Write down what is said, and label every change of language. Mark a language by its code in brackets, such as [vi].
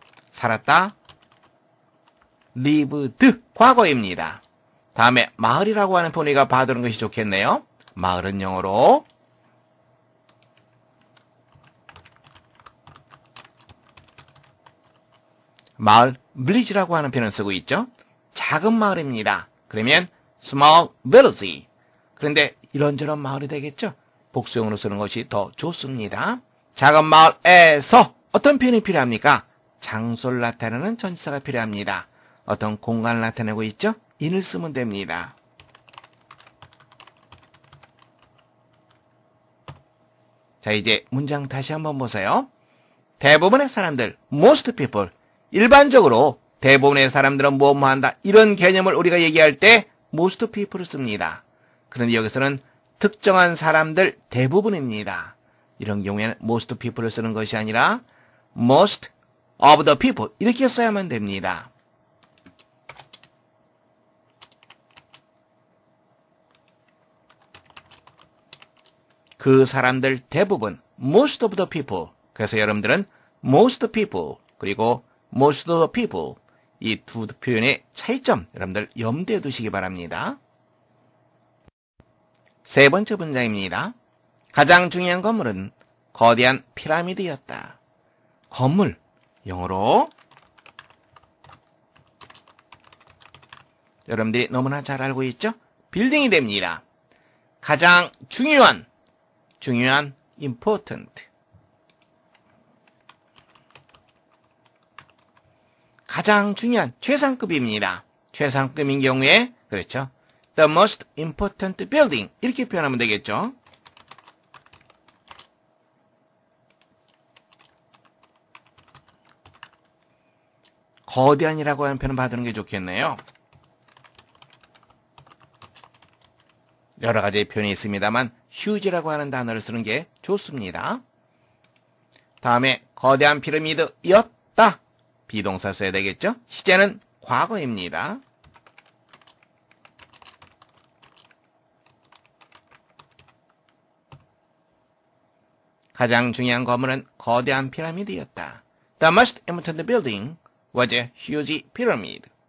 [ko] 살았다. Lived. 과거입니다. 다음에 마을이라고 하는 표현이 봐두는 것이 좋겠네요. 마을은 영어로 마을, village라고 하는 표현을 쓰고 있죠. 작은 마을입니다. [en] 그러면 small village. [ko] 그런데 이런저런 마을이 되겠죠. 복수형으로 쓰는 것이 더 좋습니다. 작은 마을에서 어떤 표현이 필요합니까? 장소를 나타내는 전치사가 필요합니다. 어떤 공간을 나타내고 있죠? in을 쓰면 됩니다. 자, 이제 문장 다시 한번 보세요. 대부분의 사람들, [en] most people. [ko] 일반적으로 대부분의 사람들은 뭐뭐 한다. 이런 개념을 우리가 얘기할 때 [en] most people [ko] 을 씁니다. 그런데 여기서는 특정한 사람들 대부분입니다. 이런 경우에는 [en] most people [ko] 을 쓰는 것이 아니라 [en] most of the people [ko] 이렇게 써야만 됩니다. 그 사람들 대부분, [en] most of the people. [ko] 그래서 여러분들은 [en] most people [ko] 그리고 [en] most of the people [ko] 이 두 표현의 차이점 여러분들 염두에 두시기 바랍니다. 세 번째 문장입니다. 가장 중요한 건물은 거대한 피라미드였다. 건물, 영어로 여러분들이 너무나 잘 알고 있죠? 빌딩이 됩니다. 가장 중요한, 중요한, important. 가장 중요한, 최상급입니다. 최상급인 경우에, 그렇죠? [en] The most important building. [ko] 이렇게 표현하면 되겠죠? 거대한이라고 하는 표현을 받는 게 좋겠네요. 여러 가지 표현이 있습니다만 huge라고 하는 단어를 쓰는 게 좋습니다. 다음에 거대한 피라미드였다. 비동사 써야 되겠죠? 시제는 과거입니다. 가장 중요한 건물은 거대한 피라미드였다. [en] The most important building was a huge pyramid.